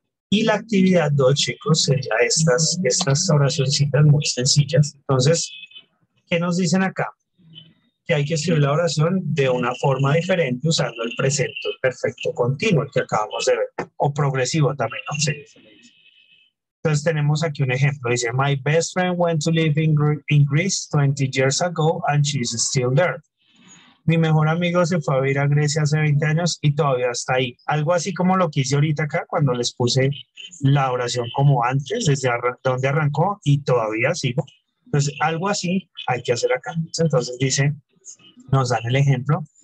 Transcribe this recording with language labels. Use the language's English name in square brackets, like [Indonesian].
[Spanish] Y la actividad 2, chicos, sería estas oracioncitas muy sencillas. Entonces, ¿qué nos dicen acá? Que hay que escribir la oración de una forma diferente usando el presente perfecto continuo, el que acabamos de ver, o progresivo también, ¿no? Sí, entonces, tenemos aquí un ejemplo. [English] Dice, my best friend went to live in Greece 20 years ago and she's still there. [Spanish] Mi mejor amigo se fue a vivir a Grecia hace 20 años y todavía está ahí. Algo así como lo que hice ahorita acá cuando les puse la oración como antes, desde donde arrancó y todavía sigo. Entonces, algo así hay que hacer acá. Entonces, dice, nos dan el ejemplo.